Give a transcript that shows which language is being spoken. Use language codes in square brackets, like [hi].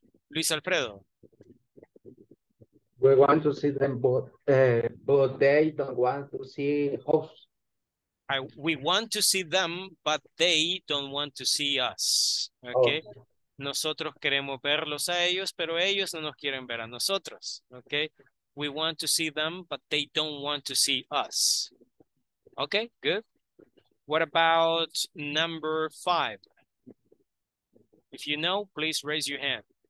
[en] Luis Alfredo. We want to see them, but they don't want to see us. We want to see them, but they don't want to see us. Okay. [es] Nosotros queremos verlos a ellos, pero ellos no nos quieren ver a nosotros. [en] Okay. We want to see them, but they don't want to see us. Okay, good. What about number five? If you know, please raise your hand.